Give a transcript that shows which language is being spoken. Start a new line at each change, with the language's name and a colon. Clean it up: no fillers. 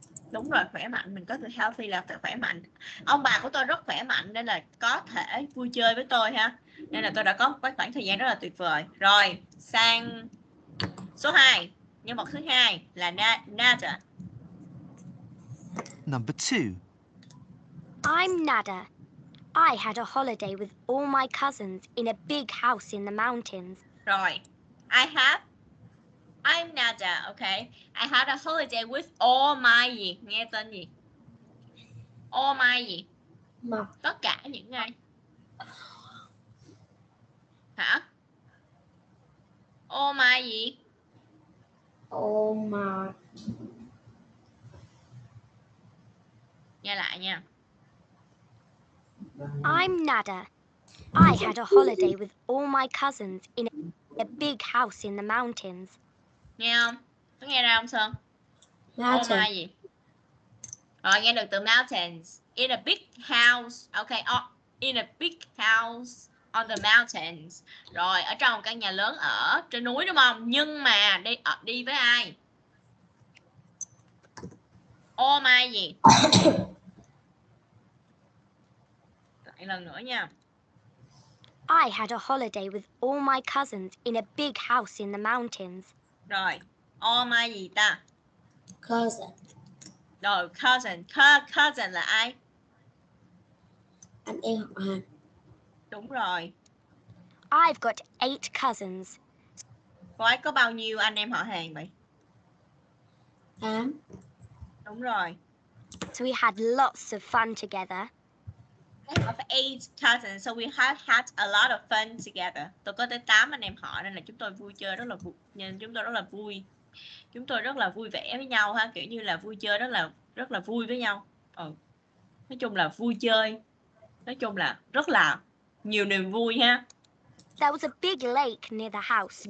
Vietnamese: Đúng rồi, khỏe mạnh, mình có từ healthy là từ khỏe mạnh. Ông bà của tôi rất khỏe mạnh nên là có thể vui chơi với tôi ha. Nên là tôi đã có một khoảng thời gian rất là tuyệt vời. Rồi, sang số 2, nhân vật thứ 2 là Nada.
English: Number 2. I'm Nada. I had a holiday with all my cousins in a big house in the mountains. Rồi, I have. I'm Nada, okay. I had a holiday with all my gì?
Vietnamese: Nghe tên gì?
English: All my
Vietnamese: gì? Mà. Tất cả những ai? Hả?
English: All my
Vietnamese: gì?
English: Oh my.
Vietnamese: Nghe lại nha.
English: I'm Nada. I had a holiday with all my cousins in a big house in the mountains.
Vietnamese: Nghe không? Có nghe ra không Sơn?
English: Mountain. Oh my gì?
Vietnamese: Rồi, nghe được từ mountains.
English: In a big house. Okay, in a big house on the mountains.
Vietnamese: Rồi, ở trong một căn nhà lớn ở trên núi đúng không? Nhưng mà đi với ai? All my gì? Lại lần nữa nha.
English: I had a holiday with all my cousins in a big house in the mountains.
Vietnamese: Rồi, all my gì ta?
English: Cousin.
Vietnamese: Rồi, cousin. Cousin là ai? Anh em. Đúng rồi.
English: I've got 8 cousins.
Vietnamese: Vậy có bao nhiêu anh em họ hàng vậy? 8. Đúng rồi.
English: So we had lots of fun together. I have 8 cousins, so we have had a lot of fun together.
Vietnamese: Tôi có tới 8 anh em họ nên là chúng tôi vui chơi rất là vui. Chúng tôi rất là vui. Chúng tôi rất là vui vẻ với nhau ha, kiểu như là vui chơi rất là vui với nhau. Ừ. Nói chung là vui chơi. Nói chung là rất là nhiều niềm vui ha.
English: There was a big lake near the house.